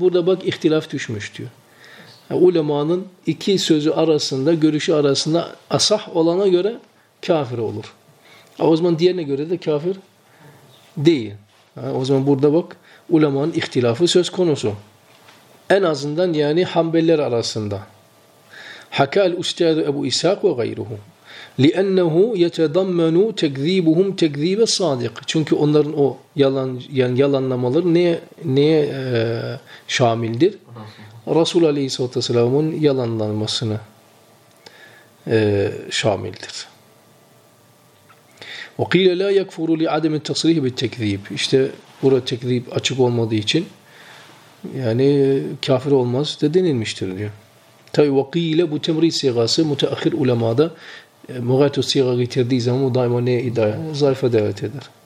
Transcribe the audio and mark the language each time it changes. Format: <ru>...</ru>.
<tr>Burada bak ihtilaf düşmüş diyor. Yani ulemanın iki sözü arasında, görüşü arasında asah olana göre kafir olur. O zaman diğerine göre de kafir değil. Yani o zaman burada bak ulemanın ihtilafı söz konusu. En azından yani Hanbeliler arasında.</tr> <ar>حكى الأستاذ أبو إساق وغيره، لأنه يتضمن تكذيبهم تكذيب الصادق.</ar> <tr>Çünkü onların o yalan yani yalanlamaları neye şamildir? Resul Aleyhisselatü'nün yalanlanmasına şamildir.</tr> <ar>وقيل لا يكفر لعدم التصريح بالتكذيب.</ar> <tr>İşte burada tekzip açık olmadığı için yani kafir olmaz de denilmiştir diyor. Tabi وقيل bu temrit sigası müteahhir ulemada mugatü sigayı getirdiği zaman daima ne idare zayıfa davet eder.</tr>